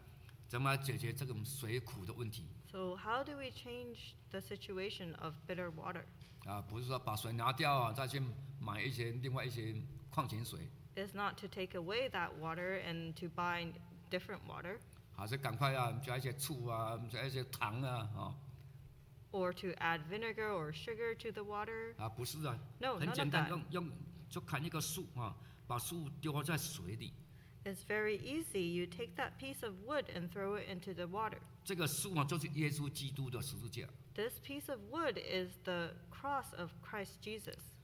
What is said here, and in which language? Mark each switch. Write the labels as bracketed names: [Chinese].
[Chinese] 25节，摩西就呼求耶和华，耶和华指示他一棵树，他把树丢在水里，水就变甜了。耶和华在那里为他们钉了律例典章，在那里试验他们。好，我们看怎么解决这个水苦的问题。 [English] So how do we change the situation of bitter water? [Chinese] 不是说把水拿掉，再去买一些另外一些矿泉水。 [English] It's not to take away that water and to buy different water. [Chinese] 还是赶快加一些醋啊，加一些糖啊， [English] Or to add vinegar or sugar to the water. [Chinese] 不是啊， [English] No, [Chinese] 很简单， 用就砍一个树啊，把树丢在水里。 [English] It's very easy. You take that piece of wood and throw it into the water. [Chinese] 这个树啊，就是耶稣基督的十字架。 [English] This piece of wood is the cross of Christ Jesus.